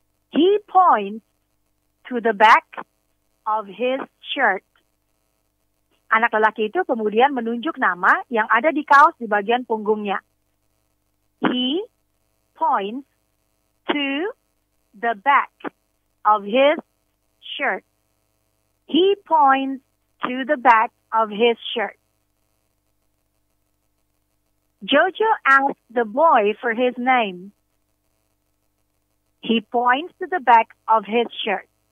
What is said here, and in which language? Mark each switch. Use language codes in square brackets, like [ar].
[en] He points to the back of his shirt. [id] Anak lelaki itu kemudian menunjuk nama yang ada di kaos di bagian punggungnya. [en] He points to the back of his shirt. He points to the back of his shirt. Jojo asks the boy for his name. He points to the back of his shirt.